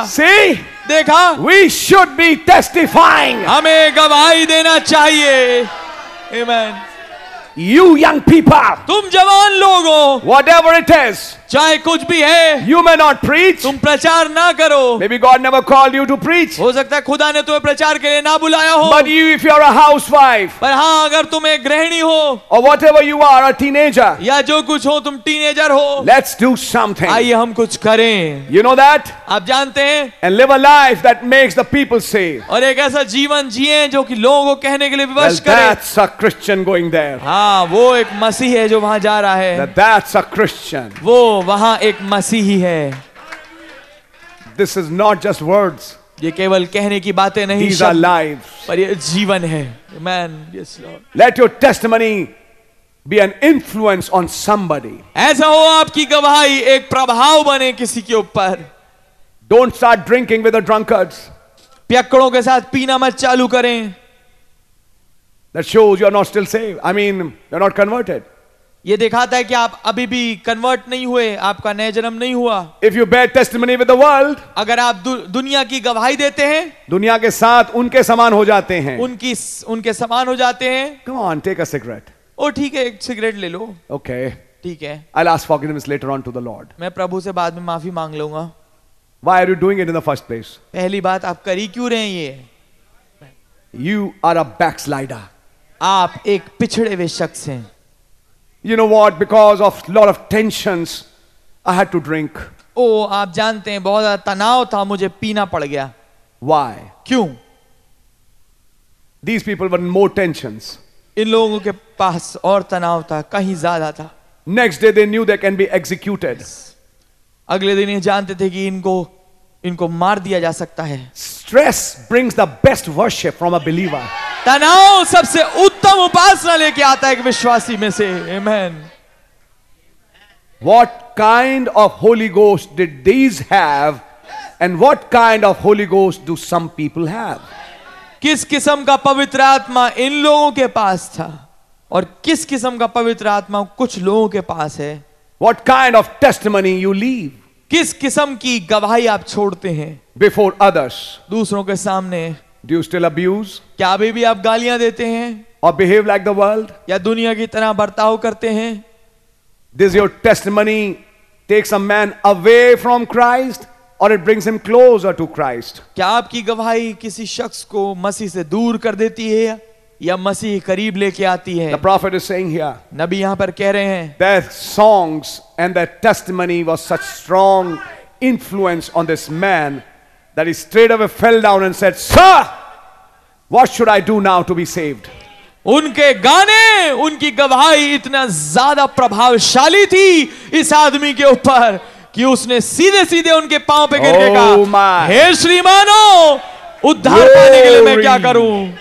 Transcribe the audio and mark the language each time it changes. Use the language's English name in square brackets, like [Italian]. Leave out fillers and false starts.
[English] See, [Hindi] देखा? [English] We should be testifying. [Hindi] हमें गवाही देना चाहिए. Amen. [English] You young people. [Hindi] तुम जवान लोगों. [English] Whatever it is. [Hindi] चाहे कुछ भी है. [English] You may not preach. [Hindi] तुम प्रचार ना करो. [English] Maybe God never called you to preach. [Hindi] हो सकता है खुदा ने तुम्हें प्रचार के लिए ना बुलाया हो. [English] But you, if you are a housewife. [Hindi] पर हाँ अगर तुम एक गृहिणी हो. [English] Or whatever you are, a teenager. [Hindi] या जो कुछ हो तुम टीनेजर हो. [English] Let's do something. [Hindi] आइए हम कुछ करें. [English] You know that? [Hindi] आप जानते हैं? [English] And live a life that makes the people say. [Hindi] और एक ऐसा जीवन जिए जो कि लोगों को कहने के लिए विवश करे. [English] That's a Christian going there. [Hindi] हाँ वो एक मसीह है जो वहां जा रहा है. [English] That's a Christian. [Hindi] वो वहां एक मसीही है [English] this is not just words [Hindi] ये केवल कहने की बातें नहीं [English] These are lives. [Hindi] पर ये जीवन है Amen. [English] Yes, Lord. Let your testimony be an influence on somebody. [Hindi] ऐसा हो आपकी गवाही एक प्रभाव बने किसी के ऊपर [English] don't start drinking with the drunkers [Hindi] पियक्कड़ों के साथ पीना मत चालू करें [English] That shows you are not still saved. I mean, you're not converted. [Hindi] ये दिखाता है कि आप अभी भी कन्वर्ट नहीं हुए आपका नया जन्म नहीं हुआ [English] if you bear testimony with the world [Hindi] अगर आप दुनिया की गवाही देते हैं दुनिया के साथ उनके समान हो जाते हैं उनकी उनके समान हो जाते हैं [English] come on take a cigarette [Hindi] ओ ठीक है एक सिगरेट ले लो [English] okay [Hindi] ठीक है [English] I ask forgiveness later on to the Lord [Hindi] मैं प्रभु से बाद में माफी मांग लूंगा [English] why are you doing it in the first place [Hindi] पहली बात आप कर ही क्यों रहे हैं ये [English] you are a backslider [Hindi] आप एक पिछड़े हुए शख्स हैं [English] You know what? Because of lot of tensions, I had to drink. [Hindi] Oh, आप जानते हैं बहुत ज़्यादा तनाव था मुझे पीना पड़ गया. [English] Why? [Hindi] क्यों? [English] These people were more tensions. [Hindi] इन लोगों के पास और तनाव था कहीं ज़्यादा था. [English] Next day they knew they can be executed. [Hindi] अगले दिन ये जानते थे कि इनको इनको मार दिया जा सकता है. [English] Stress brings the best worship from a believer. [Hindi] तनाव सबसे उत्तम उपासना लेके आता है एक विश्वासी में से Amen. [English] What kind of Holy Ghost did these have and what kind of Holy Ghost do some people have? [Hindi] किस किस्म का पवित्र आत्मा इन लोगों के पास था और किस किस्म का पवित्र आत्मा कुछ लोगों के पास है [English] What kind of testimony you leave? [Hindi] किस किस्म की गवाही आप छोड़ते हैं [English] Before others. [Hindi] दूसरों के सामने [English] Do you still abuse? [Hindi] क्या अभी भी आप गालियां देते हैं? [English] Or behave like the world? [Hindi] या दुनिया की तरह बर्ताव करते हैं? [English] Does your testimony take some man away from Christ, or it brings him closer to Christ? [Hindi] क्या आपकी गवाही किसी शख्स को मसीह से दूर कर देती है या मसीह करीब लेके आती है? [English] The prophet is saying here. [Hindi] नबी यहाँ पर कह रहे हैं. [English] Their songs and their testimony was such strong influence on this man. That he straight away fell down and said, Sir, what should I do now to be saved? [Hindi] उनके गाने, उनकी गवाही इतना ज़्यादा प्रभावशाली थी इस आदमी के ऊपर कि उसने सीधे-सीधे उनके पांव पे गिर के कहा, हे श्रीमानो, उद्धार पाने के लिए मैं क्या करूं?